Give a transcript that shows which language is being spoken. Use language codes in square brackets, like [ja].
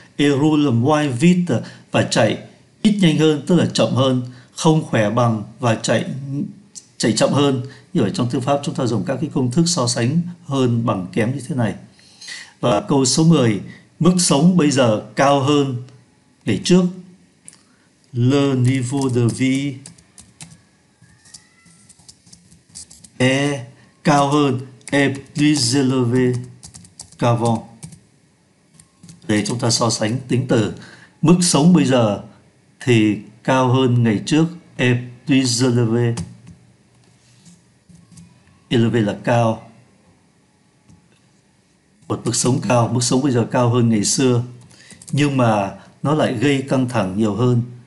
[vi] Erulam Wai Vit và chạy ít nhanh hơn, tức là chậm hơn, không khỏe bằng và chạy chạy chậm hơn. Như ở trong thư pháp chúng ta dùng các cái công thức so sánh hơn bằng kém như thế này. Và câu số 10, mức sống bây giờ cao hơn ngày trước. [fr] Le niveau de vie est [vi] cao hơn, [fr] est plus élevé qu'avant. [vi] Để chúng ta so sánh tính từ mức sống bây giờ thì cao hơn ngày trước, [fr] est plus élevé. [vi] Élevé là cao. Một mức sống cao, mức sống bây giờ cao hơn ngày xưa, nhưng mà nó lại gây căng thẳng nhiều hơn.